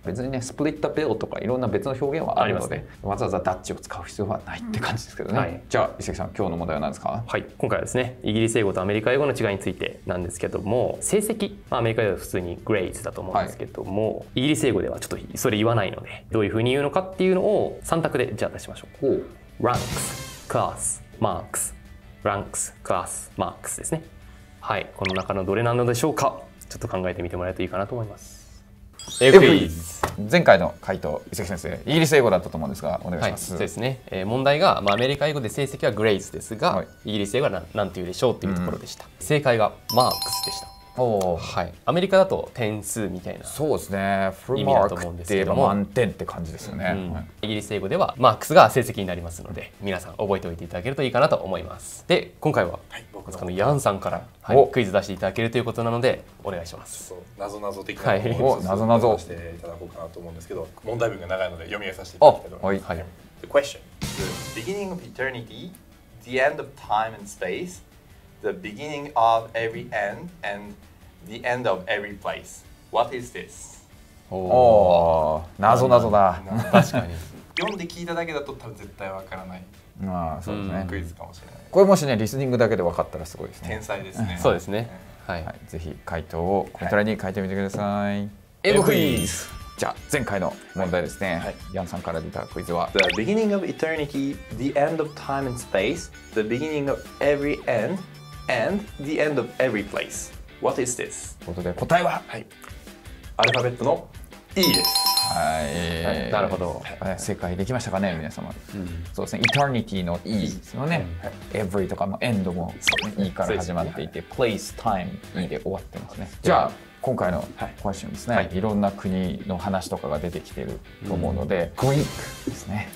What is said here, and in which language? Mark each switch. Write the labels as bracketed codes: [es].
[ja] 別にねスプリットベルとかいろんな別の表現はあるので、ね、わざわざダッチを使う必要はないって感じですけどね、うん、はい、じゃあ伊関さん今日の問題は何ですか。はい、今回はですねイギリス英語とアメリカ英語の違いについてなんですけども、成績、まあ、アメリカでは普通にグレイズだと思うんですけども、はい、イギリス英語ではちょっとそれ言わないので、どういう風に言うのかっていうのを3択でじゃあ出しましょう。 [en] Ranks, class, marks. Ranks, class, marks [ja] ですね。はい、この中のどれなのでしょうか。ちょっと考えてみてもらえるといいかなと思います。 [en] Please. [ja] 前回の回答、伊関先生、イギリス英語だったと思うんですが、お願いします。はい、そうですね。問題が、まあ、アメリカ英語で成績は grades ですが、はい、イギリス英語は何て言うでしょうっていうところでした。うん、正解が marks でした。はい、アメリカだと点数みたいな、そうですね、フルマークって言えば満点って感じですよね、うん、はい、イギリス英語ではマークスが成績になりますので、うん、皆さん覚えておいていただけるといいかなと思います。で今回は、はい、僕のヤンさんから、はい、クイズ出していただけるということなのでお願いします。謎々的なのを、はい、お謎々出していただこうかなと思うんですけど、問題文が長いので読み上げさせていただきたいと思います。はい、 [en] The question: The beginning of eternity, the end of time and spaceThe beginning of every end and the end of every place. What is this? [ja] おお、謎謎だ。確かに。読んで聞いただけだと絶対わからない。まあそうですね、うん。クイズかもしれない。これもしねリスニングだけでわかったらすごいですね。天才ですね。そうですね。はい、はい、ぜひ回答をこちらに書いてみてください。エゴクイズ。じゃあ前回の問題ですね。はい、ヤンさんから出たクイズは。 [en] The beginning of eternity, the end of time and space, the beginning of every end.And the end of every place. What is this? [ja] ということで答えは、はい、アルファベットの E です。はい、なるほど、はい。正解できましたかね、皆様。うん、そうですね、Eternity の E ですよね。うん、Every とかも End も E から始まっていて、Place、Time、E で終わってますね。はい、じゃあ今回のクエスチョンですね、はい、いろんな国の話とかが出てきてると思うので、うん、Greek ですね、